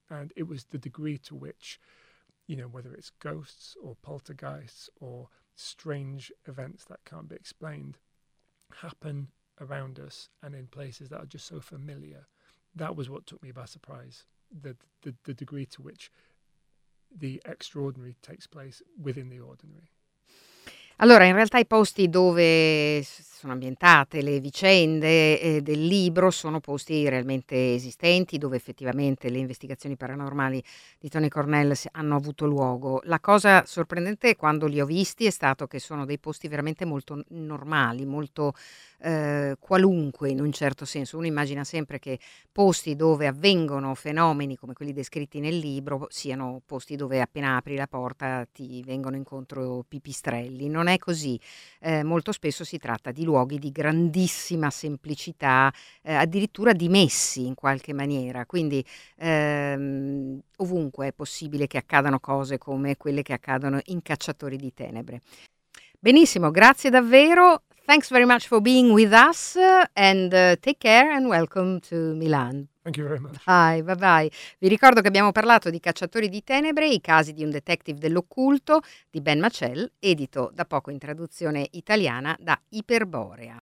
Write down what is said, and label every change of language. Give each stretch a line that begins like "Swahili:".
English: And it was the degree to which, you know, whether it's ghosts or poltergeists or strange events that can't be explained happen around us and in places that are just so familiar. That was what took me by surprise, the degree to which the extraordinary takes place within the ordinary.
Italian: Allora, in realtà i posti dove sono ambientate le vicende del libro sono posti realmente esistenti, dove effettivamente le investigazioni paranormali di Tony Cornell hanno avuto luogo. La cosa sorprendente quando li ho visti è stato che sono dei posti veramente molto normali, molto qualunque in un certo senso. Uno immagina sempre che posti dove avvengono fenomeni come quelli descritti nel libro siano posti dove appena apri la porta ti vengono incontro pipistrelli. Non è così. Molto spesso si tratta di luoghi di grandissima semplicità, addirittura dimessi in qualche maniera, quindi ovunque è possibile che accadano cose come quelle che accadono in Cacciatori di Tenebre. Benissimo, grazie davvero.
English: Thanks very much for being with us and take care and welcome to Milan. Thank you very much. Bye, bye bye.
Italian: Vi ricordo che abbiamo parlato di Cacciatori di Tenebre, i casi di un detective dell'occulto di Ben Macell, edito da poco in traduzione italiana da Iperborea.